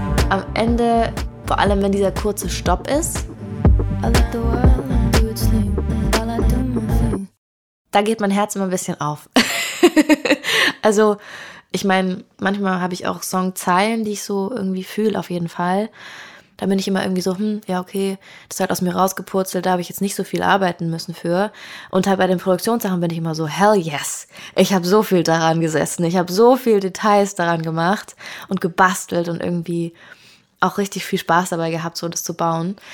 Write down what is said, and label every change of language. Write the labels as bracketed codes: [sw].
[de] Am Ende, vor allem wenn dieser kurze Stopp ist, [en] I let the world do its thing, while I do my thing. [de] Da geht mein Herz immer ein bisschen auf. Also, ich meine, manchmal habe ich auch Songzeilen, die ich so irgendwie fühle, auf jeden Fall. Da bin ich immer irgendwie so, ja, okay, das ist halt aus mir rausgepurzelt, da habe ich jetzt nicht so viel arbeiten müssen für. Und halt bei den Produktionssachen bin ich immer so, [en] hell yes, [de] ich habe so viel daran gesessen, ich habe so viel Details daran gemacht und gebastelt und irgendwie auch richtig viel Spaß dabei gehabt, so das zu bauen.